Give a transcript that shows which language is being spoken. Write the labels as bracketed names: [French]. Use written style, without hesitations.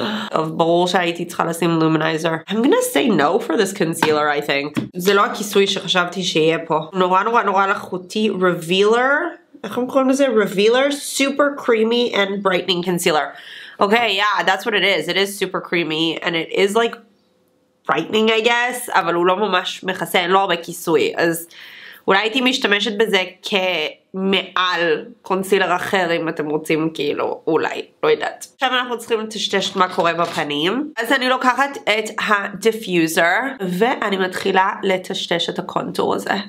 [Hebrew] טוב, ברור שהייתי צריכה לשים לומינייזר. [English] I'm gonna say no for this concealer, I think. [Hebrew] זה לא הכיסוי שחשבתי שיהיה פה. נורא נורא נורא לחוטי, revealer, איך הם קוראים לזה? [English] revealer, super creamy and brightening concealer. Okay, yeah, that's what it is. It is super creamy, and it is, like, brightening, I guess. [Hebrew] אבל הוא לא ממש מכסה, אין לו הרבה כיסוי. אז אולי הייתי משתמשת בזה כמעל קונסילר אחר, אם אתם רוצים, כאילו, אולי, לא יודעת. עכשיו אנחנו צריכים לטשטש מה קורה בפנים. אז אני לוקחת את הדיפיוזר, ואני מתחילה לטשטש את הקונטור הזה.